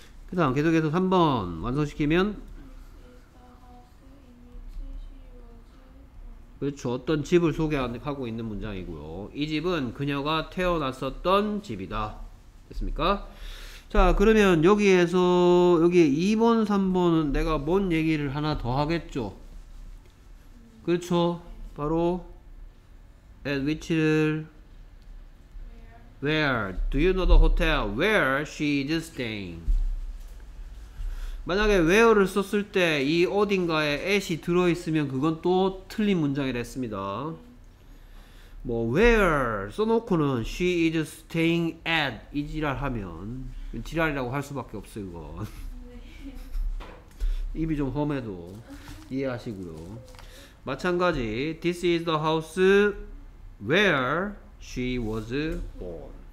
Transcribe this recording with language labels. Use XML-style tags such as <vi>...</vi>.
<ko>그다음 계속해서 3번 완성시키면 그렇죠. 어떤 집을 소개하고 있는 문장이고요. 이 집은 그녀가 태어났었던 집이다. 됐습니까? 자, 그러면 여기에서 여기 2번, 3번은 내가 뭔 얘기를 하나 더 하겠죠? 그렇죠. 바로</ko> <en>at which를 where do you know the hotel where she is staying?</en> <ko>만약에 where를 썼을 때 이 어딘가에 at이 들어있으면 그건 또 틀린 문장이 됐습니다. 뭐 where 써놓고는</ko> <en>she is staying at</en> <ko>이 지랄 하면 지랄이라고 할 수밖에 없어요, 이건. 입이 좀 험해도 이해하시고요. 마찬가지,</ko> <en>This is the house where she was born.</en>